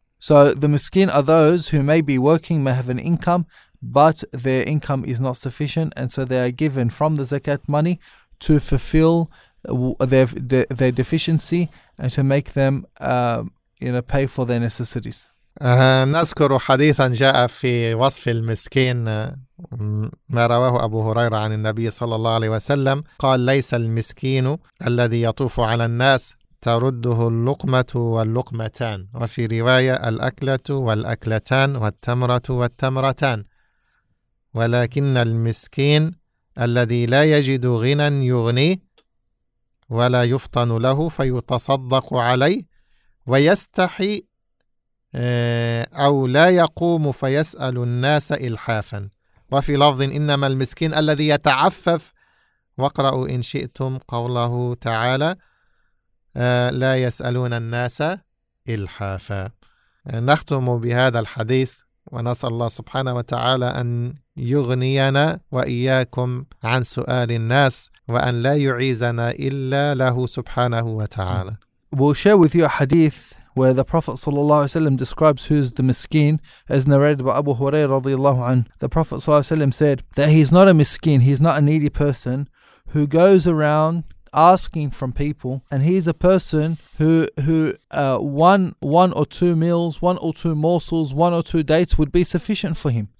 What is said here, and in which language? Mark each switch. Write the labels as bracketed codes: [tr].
[en] So the miskin are those who may be working, may have an income, but their income is not sufficient, and so they are given from the zakat money to fulfill their deficiency and to make them pay for their necessities. [ar] نذكر حديثا جاء في وصف المسكين ما رواه أبو هريرة عن النبي صلى الله عليه وسلم قال ليس المسكين الذي يطوف على الناس ترده اللقمة واللقمتان وفي رواية الأكلة والأكلتان والتمرة والتمرتان ولكن المسكين الذي لا يجد غنى يغني ولا يفطن له فيتصدق عليه ويستحي أو لا يقوم فيسأل الناس إلحافا وفي لفظ إنما المسكين الذي يتعفف واقرأوا إن شئتم قوله تعالى لا يسألون الناس إلحافا. نختم بهذا الحديث ونسأل الله سبحانه وتعالى أن يغنينا وإياكم عن سؤال الناس وأن لا يعيزنا إلا له سبحانه وتعالى. [en] We'll share with you a hadith where the Prophet sallallahu alaihi wasallam describes who's the miskin, as narrated by Abu Hurairah radiallahu anhu. The Prophet sallallahu alaihi wasallam said that he's not a miskin, he's not a needy person who goes around asking from people, and he's a person who one or two meals, one or two morsels, one or two dates would be sufficient for him.